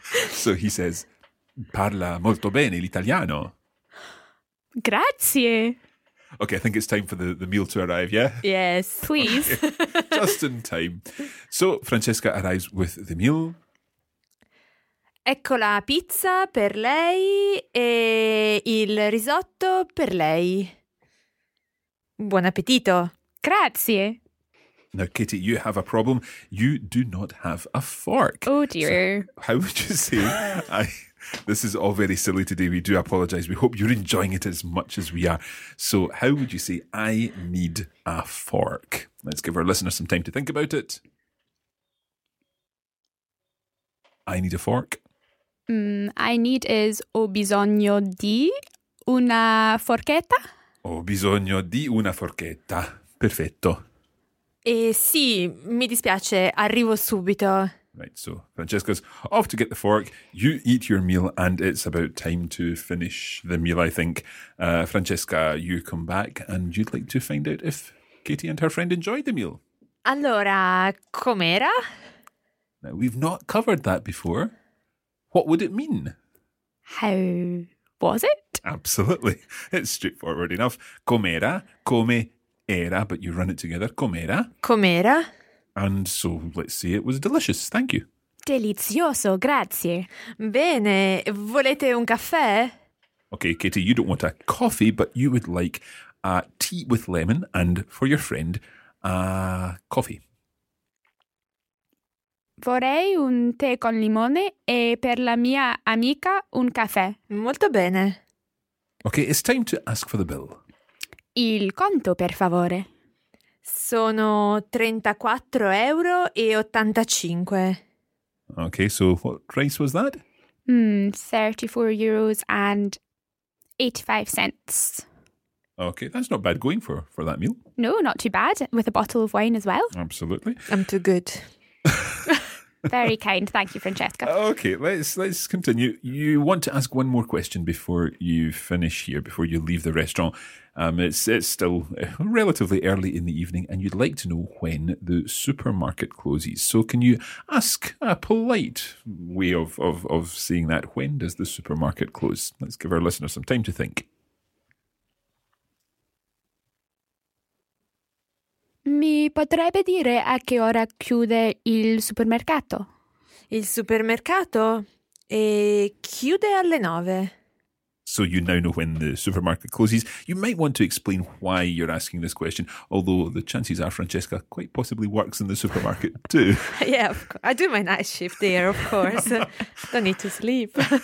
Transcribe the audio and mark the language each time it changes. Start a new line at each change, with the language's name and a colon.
English: So he says,
Italian: parla molto bene l'italiano. Grazie.
English: Okay, I think it's time for the meal to arrive, yeah? Yes, please. Okay. Just in time. So Francesca arrives with the meal.
Italian: Ecco la pizza per lei e il risotto per lei. Buon appetito. Grazie.
English: Now, Katie, you have a problem. You do not have a fork. Oh, dear. So how would you say? This is all very silly today. We do apologize. We hope you're enjoying it as much as we are. So how would you say, I need a fork? Let's give our listeners some time to think about it. I need a fork. I need is
Italian: ho bisogno di una forchetta. Ho bisogno di una forchetta. Perfetto. Sì, mi dispiace, arrivo subito.
English: Right, so Francesca's off to get the fork. You eat your meal and it's about time to finish the meal, I think. Francesca, you come back and you'd like to find out if Katie and her friend enjoyed the meal.
Italian: Allora, com'era?
English: Now, we've not covered that before. What would it mean? How was it? Absolutely. It's straightforward enough.
Italian: Com'era, come era,
English: but you run it together. Com'era.
Italian: Com'era.
English: And so let's say it was delicious. Thank you.
Italian: Delizioso, grazie. Bene, volete un caffè?
English: Okay, Katie, you don't want a coffee, but you would like a tea with lemon and, for your friend, a coffee.
Italian: Vorrei un tè con limone e per la mia amica un caffè. Molto bene.
English: Okay, it's time to ask for the bill.
Italian: Il conto, per favore. Sono 34 euro e 85.
English: Okay, so what price was that? 34 euros and 85 cents. Okay, that's not bad going for that meal. No, not too bad. With a bottle of wine as well. Absolutely. I'm too good. Very kind. Thank you, Francesca. Okay, let's continue. You want to ask one more question before you finish here, before you leave the restaurant. It's still relatively early in the evening and you'd like to know when the supermarket closes. So can you ask a polite way of saying that? When does the supermarket close? Let's give our listeners some time to think.
Italian: Mi potrebbe dire a che ora chiude il supermercato? Il supermercato chiude alle 9.
English: So you now know when the supermarket closes. You might want to explain why you're asking this question, although the chances are Francesca quite possibly works in the supermarket too. Yeah, of course. I do my night shift there, of course. Don't need to sleep.